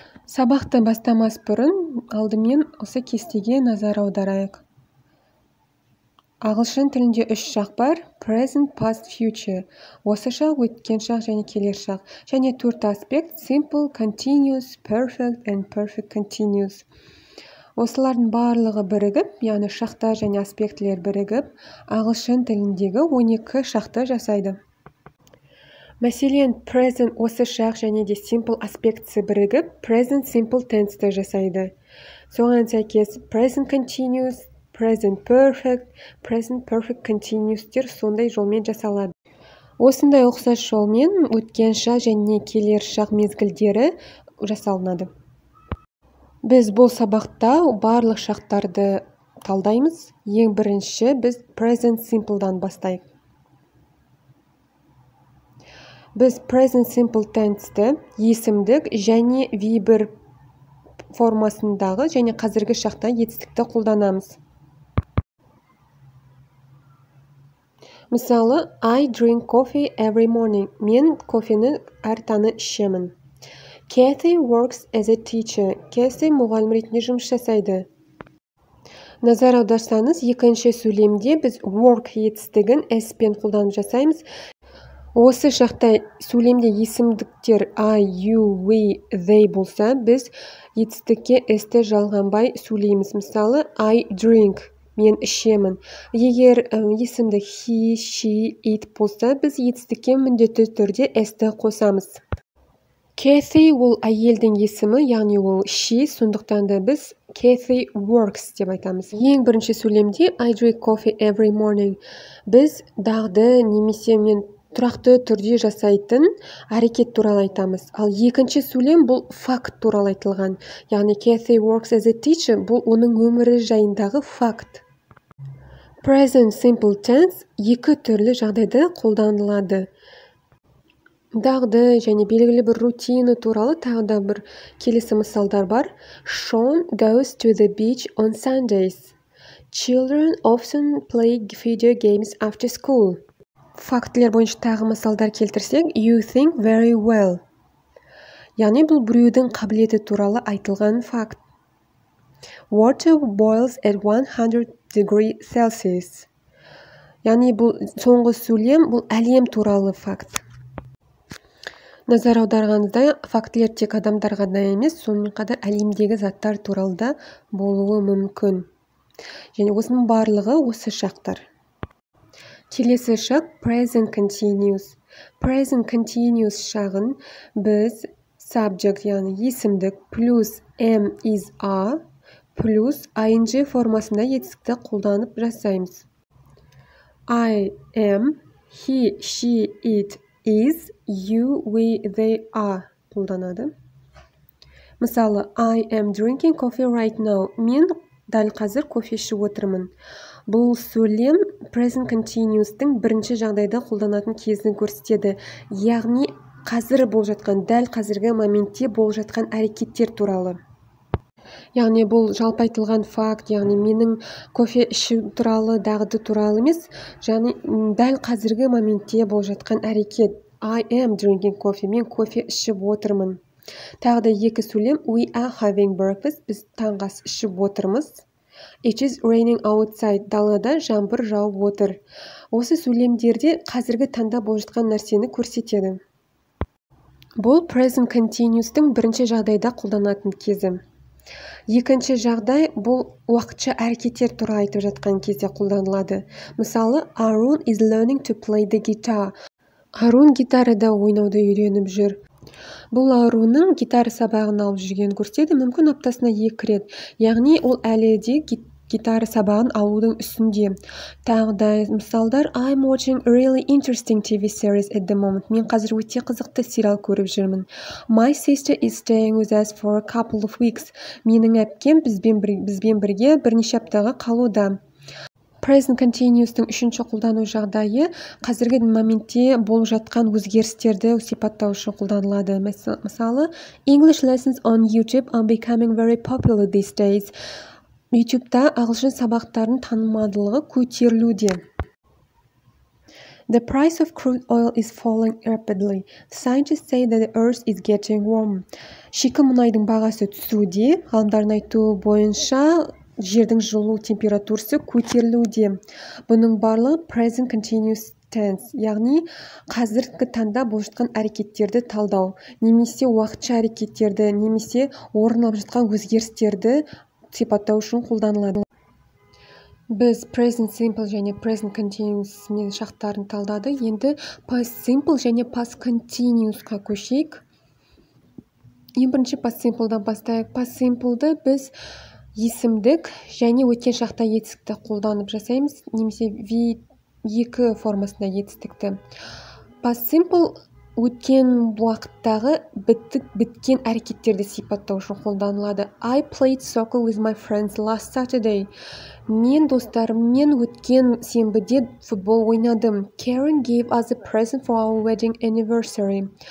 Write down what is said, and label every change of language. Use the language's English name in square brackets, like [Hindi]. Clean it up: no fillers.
[Kazakh] Сабақты бастамас бұрын, алдымен осы кестеге назар аударайық. Ағылшын тілінде үш шақ бар: present, past, future. Осы шақ, өткен шақ және келер шақ. Және төрт аспект: [English] simple, continuous, perfect and perfect continuous. [Kazakh] Осылардың барлығы бірігіп, яғни шақтар және аспектілер бірігіп, ағылшын тіліндегі 12 шақты жасайды. Мәселен, present осы шақ және де simple аспектісі бірігіп, present simple tense-ті жасайды. Соған сәйкес, present continuous, present perfect continuous-тер сондай жолмен жасалады. Осындай ұқсас жолмен өткен шақ және келер шақ мезгілдері жасалынады. Біз бұл сабақта барлық шақтарды талдаймыз. Ең бірінші, біз present simple-дан бастайық. Біз present simple tense-ті есімдік және V-1 формасындағы және қазіргі шақта етістікті қолданамыз. [English] Мысалы, I drink coffee every morning. [Kazakh] Мен кофені әр таңы ішемін. [English] Kathy works as a teacher. [Kazakh] Кэти мұғалім ретінде жұмыс жасайды. Назар аударсаңыз, екінші сөйлемде біз work етістігін S-пен қолданып жасаймыз. Осы шақта сөйлемде есімдіктер I, you, we, they болса, біз етістікке S-ті жалғанбай сөйлейміз. Мысалы, [English] I drink, [Kazakh] мен ішемін. Егер есімдік he, she, it болса, біз етістікке міндетті түрде S-ті қосамыз. Kathy ол әйелдің есімі, яғни ол she, сондықтан да біз [English] Kathy works [Kazakh] деп айтамыз. Ең бірінші сөйлемде [English] I drink coffee every morning. [Kazakh] Біз дағды немесе мен тұрақты түрде жасайтын әрекет туралы айтамыз. Ал екінші сөйлем бұл факт туралы айтылған. Яғни [English] Kathy works as a teacher [Kazakh] бұл оның өмірі жайындағы факт. Present simple tense екі түрлі жағдайда қолданылады. Дағды және белгілі бір рутина туралы тағы да бір келесі мысалдар бар. [English] Sean goes to the beach on Sundays. Children often play video games after school. [Kazakh] Фактілер бойынша тағы мысалдар келтірсек, [English] you think very well. [Kazakh] Яғни бұл біреудің қабілеті туралы айтылған факт. [English] Water boils at 100 degrees Celsius. [Kazakh] Яғни бұл соңғы сөйлем бұл әлем туралы факт. Назар аударғанда фактілер тек адамдарға ғана емес, сонымен қатар әлемдегі заттар туралы да болуы мүмкін. Және осының барлығы осы шақтар. Келесі шақ present continuous. Present continuous шағын біз subject, яғни есімдік, плюс am is are, плюс ing формасында етістікті қолданып жасаймыз. I am, he, she, it, is, you, we, they are қолданады. [English] Мысалы, I am drinking coffee right now. [Kazakh] Мен дәл қазір кофе ішіп отырмын. Бұл сөйлем present continuous-тың бірінші жағдайда қолданатын кезін көрсетеді. Яғни, қазір болып жатқан, дәл қазіргі моментте болып жатқан әрекеттер туралы. Яғни, бұл жалпы айтылған факт, яғни менің кофе ішу туралы, дағды туралы емес, яғни дәл қазіргі моментте болып жатқан әрекет. [English] I am drinking coffee. [Kazakh] Мен кофе ішіп отырмын. Тағы да екі сөйлем: [English] We are having breakfast. [Kazakh] Біз таңғы ас ішіп отырмыз. [English] It is raining outside. [Kazakh] Далада жаңбыр жауып отыр. Осы сөйлемдерде қазіргі таңда болып жатқан нәрсені көрсетеді. Бұл present continuous-тың бірінші жағдайда қолданатын кезі. Екінші жағдай бұл уақытша әрекеттер туралы айтып жатқан кезде қолданылады. [English] Мысалы, Arun is learning to play the guitar. [Kazakh] Arun гитарада ойнауды үйреніп жүр. Бұл Аруның гитара сабағын алып жүрген көрсетеді, мүмкін аптасына 2 рет. Яғни ол әлі де гитара сабағын алудың үстінде. Тағы да мысалдар: [English] I'm watching really interesting TV series at the moment. [Kazakh] Мен қазір өте қызықты сериал көріп жүрмін. [English] My sister is staying with us for a couple of weeks. [Kazakh] Менің әпкем бізбен бірге бірнеше аптаға қалуда. Present continuous-тың үшінші қолдану жағдайы қазіргі моментте болып жатқан өзгерістерді сипаттау үшін қолданылады. [English] Мысалы, English lessons on YouTube are becoming very popular these days. [Kazakh] YouTube-та ағылшын сабақтарының танымалдығы көтерілуде. [English] The price of crude oil is falling rapidly. Scientists say that the earth is getting warm. [Kazakh] Шикі мұнайдың бағасы түсуде, ғалымдарын айтуы бойынша жердің жылу температурасы көтерілуде. Бұның барлығы present continuous tense, яғни қазіргі таңда болып жатқан әрекеттерді талдау, немесе уақытша әрекеттерді, немесе орын алып жатқан өзгерістерді сипаттау үшін қолданылады. Біз present simple және present continuous не шақтарын талдады. Енді past simple және past continuous-қа көшейік. Ең бірінші past simple-дан бастайық. Past simple-ды біз есімдік және өткен шақта етістікті қолданып жасаймыз. Немесе V2 формасында етістікті. Past simple өткен уақыттағы біткен әрекеттерді сипаттау үшін қолданылады. [English] I played soccer with my friends last Saturday. [Kazakh] Мен достарыммен өткен сенбіде футбол ойнадым. [English] Karen gave us a present for our wedding anniversary.